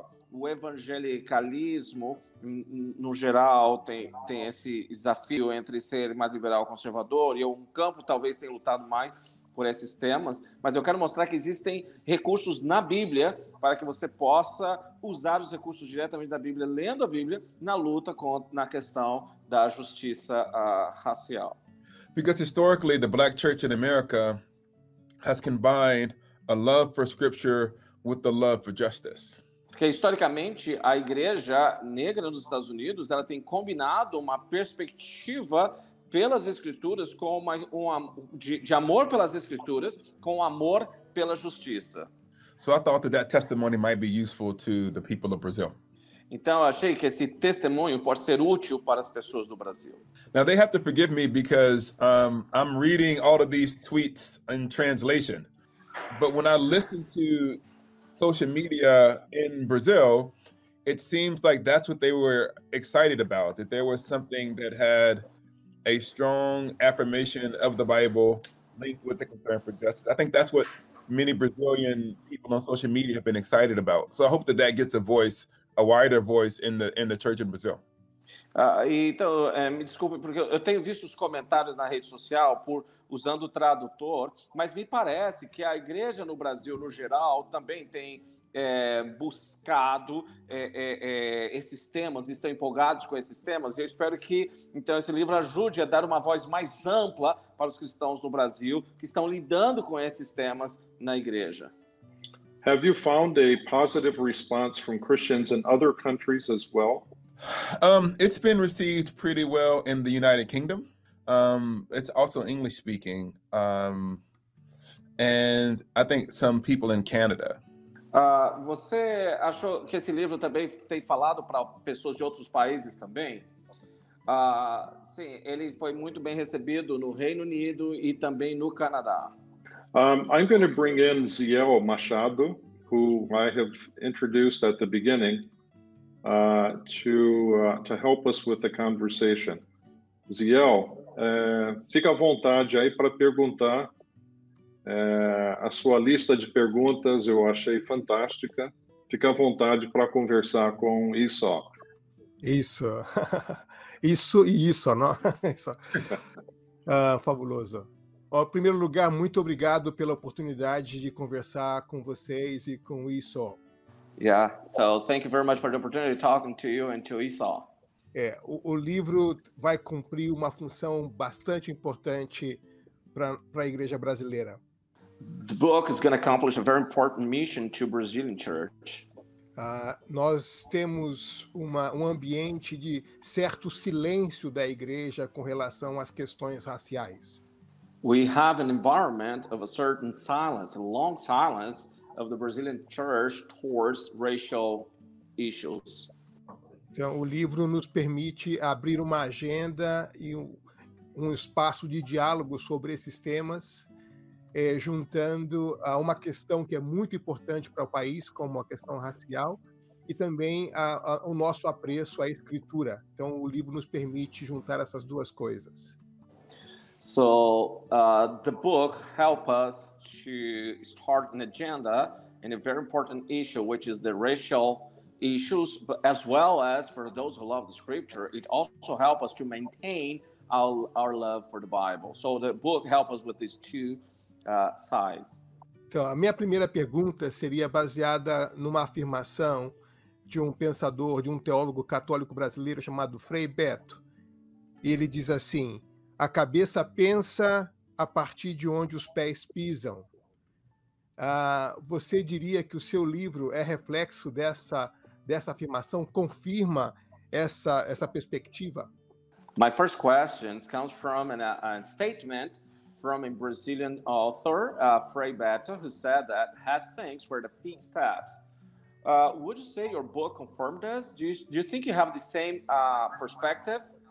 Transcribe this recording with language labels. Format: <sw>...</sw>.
<pt>o evangelicalismo, no geral, tem esse desafio entre ser mais liberal ou conservador, e um campo talvez tenha lutado mais por esses temas, mas eu quero mostrar que existem recursos na Bíblia para que você possa usar os recursos diretamente da Bíblia, lendo a Bíblia, na luta na questão da justiça racial.</pt> <en>Because historically, the black church in America has combined a love for scripture with the love for justice.</en> <pt>Porque historicamente, a igreja negra nos Estados Unidos, ela tem combinado uma perspectiva pelas escrituras com de amor pelas escrituras com amor pela justiça.</pt> <en>So I thought that testimony might be useful to the people of Brazil.</en> <pt>Então eu achei que esse testemunho pode ser útil para as pessoas do Brasil.</pt> <en>Now they have to forgive me because I'm reading all of these tweets in translation. But when I listen to social media in Brazil, it seems like that's what they were excited about, that there was something that had a strong affirmation of the Bible linked with the concern for justice. I think that's what many Brazilian people on social media have been excited about. So I hope that gets a voice, a wider voice in the church in Brazil.</en> <pt>Me desculpe, porque eu tenho visto os comentários na rede social por usando o tradutor, mas me parece que a igreja no Brasil, no geral, também tem buscado esses temas, estão empolgados com esses temas, e eu espero que, então, esse livro ajude a dar uma voz mais ampla para os cristãos no Brasil que estão lidando com esses temas na igreja.</pt> <en>Have you found a positive response from Christians in other countries as well? It's been received pretty well in the United Kingdom. It's also English speaking. And I think some people in Canada.</en> <pt>Você achou que esse livro também tem falado para pessoas de outros países também? Sim, ele foi muito bem recebido no Reino Unido e também no Canadá.</pt> <en>I'm going to bring in Ziel Machado, who I have introduced at the beginning, to help us with the conversation.</en> <pt>Ziel, fica à vontade aí para perguntar. A sua lista de perguntas eu achei fantástica. Fica à vontade para conversar com Isso. Isso. Isso e isso, não? Isso. Fabuloso. Em primeiro lugar, muito obrigado pela oportunidade de conversar com vocês e com Isso.</pt> <en>Yeah, so thank you very much for the opportunity of talking to you and to Isso.</en> <pt>O livro vai cumprir uma função bastante importante para a igreja brasileira.</pt> <en>The book is going to accomplish a very important mission to Brazilian church.</en> <pt>Nós temos um ambiente de certo silêncio da igreja com relação às questões raciais.</pt> <en>We have an environment of a certain silence, a long silence of the Brazilian church towards racial issues.</en> <pt>Então, o livro nos permite abrir uma agenda e um espaço de diálogo sobre esses temas. Juntando a uma questão que é muito importante para o país, como a questão racial, e também o nosso apreço à escritura. Então, o livro nos permite juntar essas duas coisas.</pt> <en>So, the book helps us to start an agenda in a very important issue, which is the racial issues, but as well as for those who love the scripture, it also helps us to maintain our love for the Bible. So, the book helps us with these two sides.</en> <pt>Então, a minha primeira pergunta seria baseada numa afirmação de um pensador, de um teólogo católico brasileiro chamado Frei Beto. Ele diz assim: a cabeça pensa a partir de onde os pés pisam. Você diria que o seu livro é reflexo dessa afirmação? Confirma essa perspectiva?</pt> <en>My first question comes from a statement from a Brazilian author, Frei Beto, who said that head thinks where the feet steps. Would you say your book confirmed this? Do you think you have the same perspective?</en>